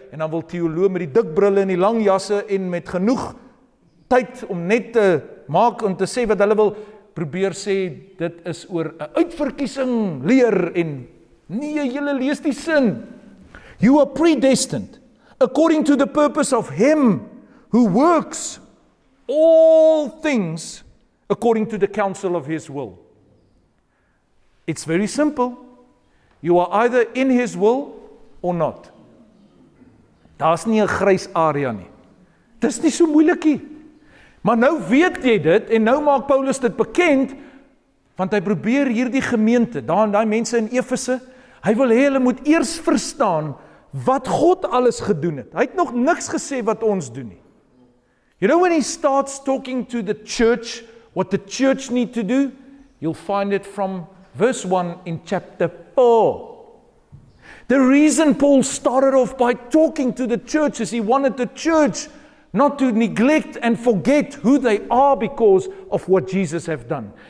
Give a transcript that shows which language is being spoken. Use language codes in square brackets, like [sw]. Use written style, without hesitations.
[af] En dan wil teoloog met die dik brille en die lang jasse en met genoeg tyd om net te maak en te sê wat hulle wil probeer sê, dit is oor 'n uitverkiesing leer en nie, julle lees die sin. [en] You are predestined according to the purpose of him who works all things according to the counsel of his will. It's very simple. You are either in his will or not. [af] Daar's nie 'n grys area nie. Dis nie so moeilikie. Maar nou weet jy dit en nou maak Paulus dit bekend want hy probeer hierdie gemeente, daai mense in Efese, hy wil hê hulle moet eers verstaan wat God alles gedoen het. Hy het nog niks gesê wat ons doen nie. [en] You know when he starts talking to the church what the church need to do, you'll find it from verse 1 in chapter 4. The reason Paul started off by talking to the church is he wanted the church not to neglect and forget who they are because of what Jesus have done.